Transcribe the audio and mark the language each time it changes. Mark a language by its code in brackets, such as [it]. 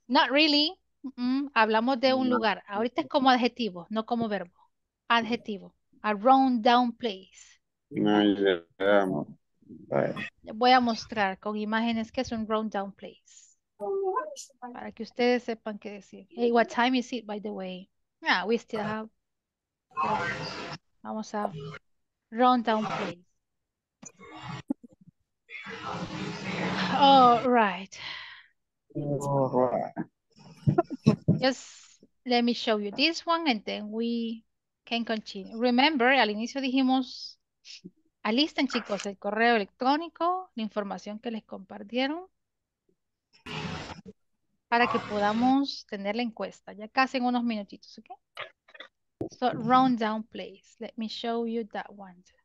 [en] Not really. [es] Mm-mm. Hablamos de un lugar. Ahorita es como adjetivo, no como verbo. Adjetivo. [en] A run down place. [es] Voy a mostrar con imágenes qué es un run down place. Para que ustedes sepan qué decir. [en] Hey, what time is it, by the way? Yeah, we still have. [es] Vamos a [en] run down place. All right. Just let me show you this one and then we can continue. [es] Remember, al inicio dijimos, alisten chicos el correo electrónico, la información que les compartieron. Para que podamos tener la encuesta. Ya casi en unos minutitos, ¿ok? [en] So, round down place. Let me show you that one.